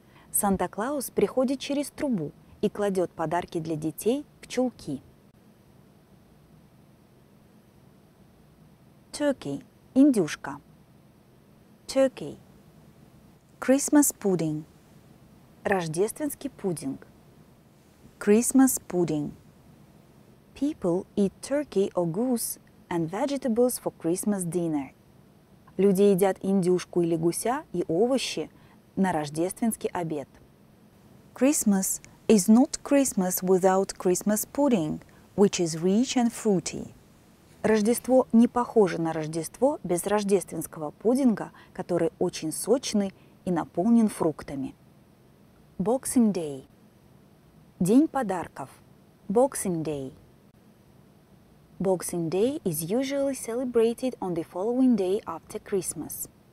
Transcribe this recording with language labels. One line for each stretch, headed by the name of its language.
Russian: Santa Claus приходит через трубу и кладет подарки для детей в чулки.
English: Turkey. Индюшка. Turkey. Christmas pudding.
Russian: Рождественский пудинг.
English: Christmas pudding. People eat turkey or goose and vegetables for Christmas dinner.
Russian: Люди едят индюшку или гуся и овощи на рождественский обед.
English: Christmas is not Christmas without Christmas pudding, which is rich and fruity.
Russian: Рождество не похоже на Рождество без рождественского пудинга, который очень сочный и наполнен фруктами.
English: Boxing Day.
Russian: День подарков.
English: Boxing Day. Boxing Day is usually celebrated on the following day after Christmas.